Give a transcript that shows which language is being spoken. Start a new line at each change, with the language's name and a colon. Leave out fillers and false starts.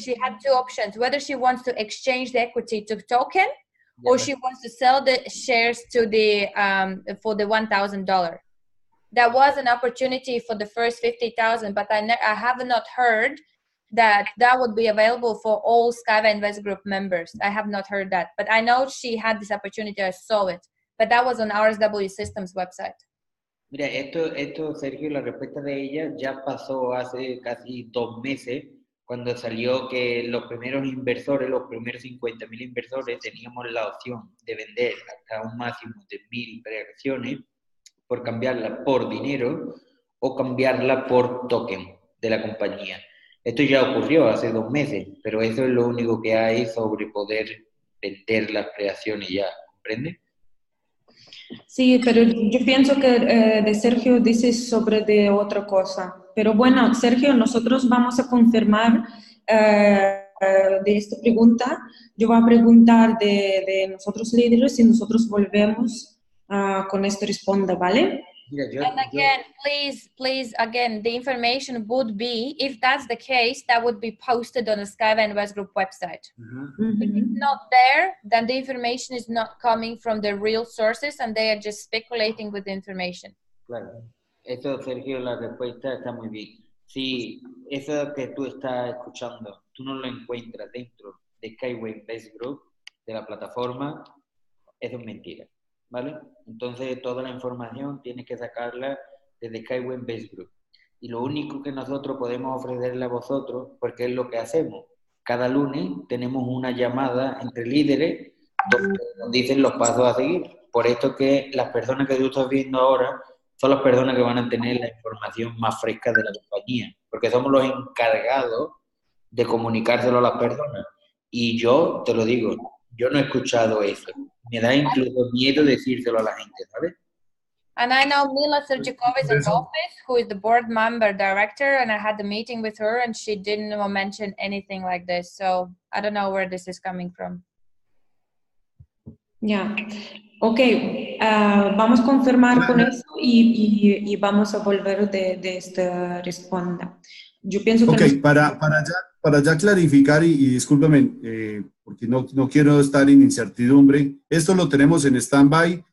English: She had two options, whether she wants to exchange the equity to token or she wants to sell the shares to the for the $1,000. That was an opportunity for the first 50,000, but I have not heard that would be available for all SkyWay Invest Group members. I have not heard that, but I know she had this opportunity. I saw it, but that was on RSW Systems website.
Spanish: Mira, esto Sergio, la respuesta de ella ya pasó hace casi dos meses cuando salió que los primeros inversores, los primeros 50,000 inversores teníamos la opción de vender hasta un máximo de 1,000 preacciones por cambiarla por dinero o cambiarla por token de la compañía. Esto ya ocurrió hace dos meses, pero eso es lo único que hay sobre poder vender las preacciones ya, ¿comprende? Sí, pero yo pienso que de Sergio dice sobre de otra cosa. Pero bueno, Sergio, nosotros vamos a confirmar de esta pregunta. Yo voy a preguntar de nosotros líderes y nosotros volvemos con esta respuesta, ¿vale?
English: And again, please, again, the information would be, if that's the case, that would be posted on the SkyWay Invest Group website. Mm-hmm. If it's not there, then the information is not coming from the real sources and they are just speculating with the information.
Spanish: Claro. Esto, Sergio, la respuesta está muy bien. Si eso que tú estás escuchando, tú no lo encuentras dentro de SkyWay Invest Group, de la plataforma, es una mentira. ¿Vale? Entonces, toda la información tiene que sacarla desde SkyWay Invest Group. Y lo único que nosotros podemos ofrecerle a vosotros, porque es lo que hacemos, cada lunes tenemos una llamada entre líderes donde nos dicen los pasos a seguir. Por esto que las personas que tú estás viendo ahora son las personas que van a tener la información más fresca de la compañía, porque somos los encargados de comunicárselo a las personas. Y yo te lo digo, yo no he escuchado eso. Me da incluso miedo decírselo a la gente, ¿sabes?
English: And I know Mila Sergikova is in the office, who is the board member director, and I had a meeting with her, and she didn't mention anything like this. So I don't know where this is coming from. Yeah. Okay.
Spanish: Vamos a confirmar con eso y vamos a volver de esta responda. Yo pienso okay, que. Okay. Para ya clarificar y discúlpame. Porque no quiero estar en incertidumbre. Esto lo tenemos en stand-by.